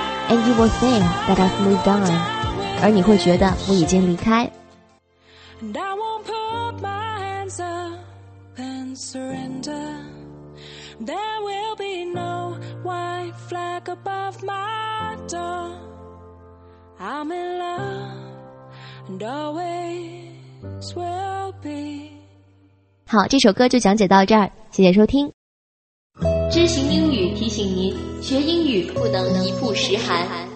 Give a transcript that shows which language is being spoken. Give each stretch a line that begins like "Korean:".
English: And you will think that I've moved on.
Chinese: 而你会觉得我已经离开。
English: And I won't put my hands up and surrender. There will be no white flag above my door. I'm in love and always will be.
Chinese: 好，这首歌就讲解到这儿，谢谢收听。知行英语提醒您，学英语不能一步十寒。